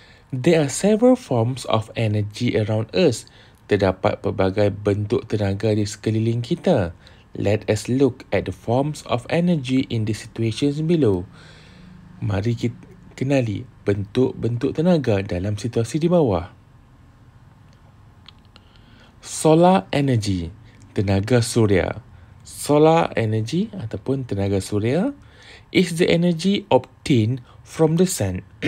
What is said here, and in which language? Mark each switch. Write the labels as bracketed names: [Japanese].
[English] There are several forms of energy around us. [Malay] Terdapat pelbagai bentuk tenaga di sekeliling kita. [English] Let us look at the forms of energy in the situations below. [Malay] Mari kita kenali bentuk-bentuk tenaga dalam situasi di bawah. [English] Solar energy, [Malay] tenaga surya. [English] Solar energy [Malay] ataupun tenaga surya [English] is the energy obtained from the sun.